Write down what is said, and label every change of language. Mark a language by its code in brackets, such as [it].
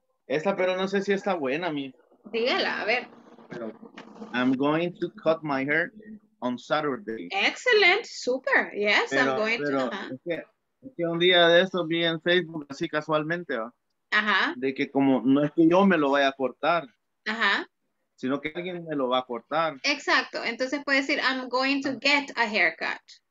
[es] Esta, pero no sé si está buena, mi. Dígala, a ver. [en] I'm going to cut my hair on Saturday. Excellent. Super. Yes, [es] pero, [en] I'm going [es] pero, [en] to. [es] Que un día de estos vi en Facebook así casualmente, ¿va? Ajá. De que como no es que yo me lo vaya a cortar, ajá, sino que alguien me lo va a cortar. Exacto. Entonces puede decir [en] I'm going to get a haircut.